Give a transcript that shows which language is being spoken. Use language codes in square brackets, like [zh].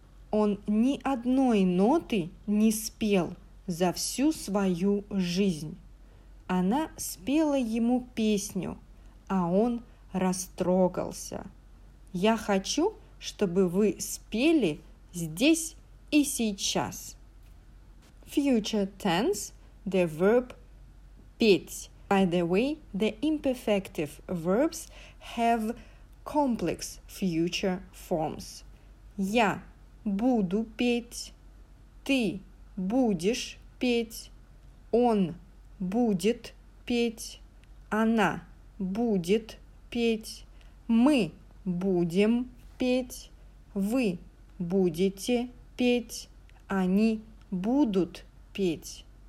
[ru] Он ни одной ноты не спел за всю свою жизнь. Она спела ему песню, а он растрогался. Я хочу, чтобы вы спели здесь и сейчас. [en] Future tense, the verb петь. By the way, the imperfective verbs have complex future forms. [ru] Я буду петь, ты будешь петь, он будет петь, она будет петь, мы будем петь, вы будете петь, они будут петь.